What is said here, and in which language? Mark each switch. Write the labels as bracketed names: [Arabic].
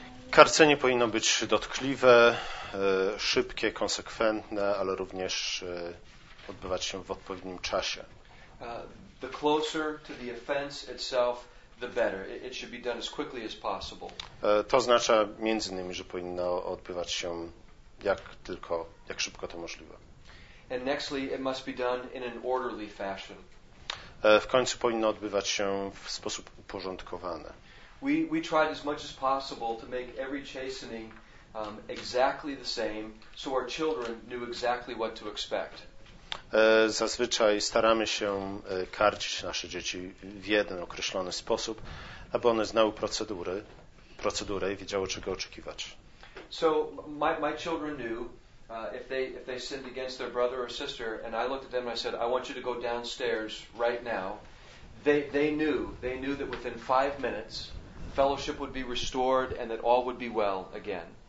[Polish] Karcenie powinno być dotkliwe, szybkie, konsekwentne, ale również odbywać się w odpowiednim czasie. [English] The closer to the offense itself, the better. It should be done as quickly as possible. [Polish] To oznacza między innymi, że powinno odbywać się jak szybko to możliwe. [English] And nextly, it must be done in an orderly fashion. [Polish] W końcu powinno odbywać się w sposób uporządkowany. [English] We tried as much as possible to make every chastening exactly the same, so our children knew exactly what to expect. [Polish] Zazwyczaj staramy się karcić nasze dzieci w jeden określony sposób, aby one znały procedurę i wiedziały, czego oczekiwać. [English] So my children knew if they sinned against their brother or sister, and I looked at them and I said, I want you to go downstairs right now. They knew that within 5 minutes fellowship would be restored and that all would be well again.